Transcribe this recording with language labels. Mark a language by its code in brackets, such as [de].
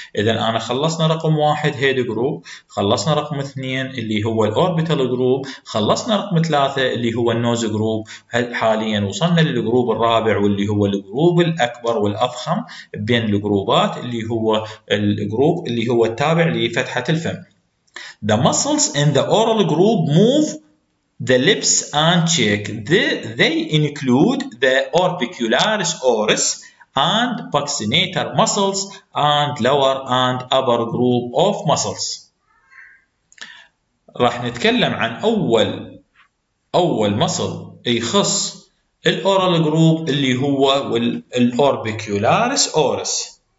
[ar] إذا أنا خلصنا رقم واحد هيد جروب، خلصنا رقم اثنين اللي هو الأوربيتال جروب، خلصنا رقم ثلاثة اللي هو النوز جروب، حاليا وصلنا للجروب الرابع واللي هو الجروب الأكبر والأضخم بين الجروبات، اللي هو الجروب اللي هو التابع لفتحة الفم. [en] The muscles in the oral group move the lips and cheek. They include the orbicularis oris and buccinator muscles and lower and upper group of muscles. [ar] راح نتكلم عن أول muscle يخص ال oral group اللي هو ال orbicularis oris.